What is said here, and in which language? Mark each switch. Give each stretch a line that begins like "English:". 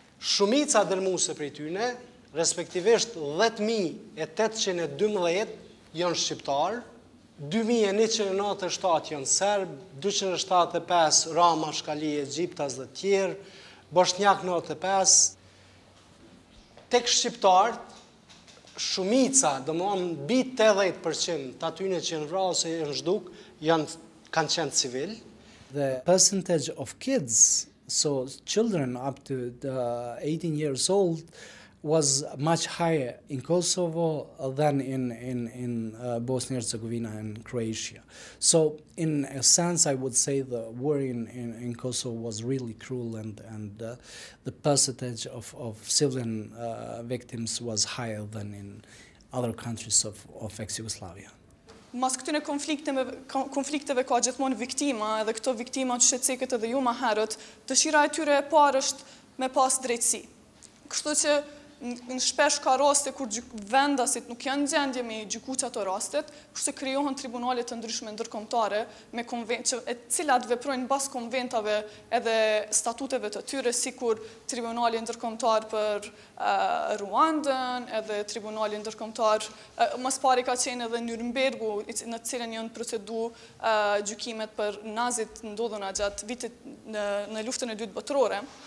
Albanian: Shumica dërmuse për i tyne, respektivisht 10.812 jënë shqiptarë, 2.197 jënë serbë, 275 Rama, Shkali, Egjiptas dhe tjerë, Bosnjak 95. Tek shqiptarët, shumica, do më thonë mbi 80% të atyre që janë vrarë ose janë zhduk, kanë qenë civil.
English: The percentage of kids, so children up to 18 years old, was much higher in Kosovo than in Bosnia and Herzegovina and Croatia. So in a sense, I would say the war in Kosovo was really cruel, and the percentage of civilian victims was higher than in other countries of ex-Yugoslavia.
Albanian: Mas këtyne konflikteve ka gjithmonë viktima, edhe këto viktima që sheceket edhe ju ma herët, dëshira e tyre e parë është me pas drejtësi. Kështu që në shpesh ka raste kur vendasit nuk janë gjendje me gjykuqë ato rastet, kështu krijohen tribunalet të ndryshme ndërkombëtare me konvent, që e cilat veprojnë bas konventave edhe statuteve të tyre, si kur tribunali ndërkombëtar për Ruandën, edhe tribunali ndërkombëtar, mas pari ka qenë edhe Nürnbergu, në cilën janë procedu gjykimet për nazit ndodhuna gjatë vitit në luftën e dytë botërore.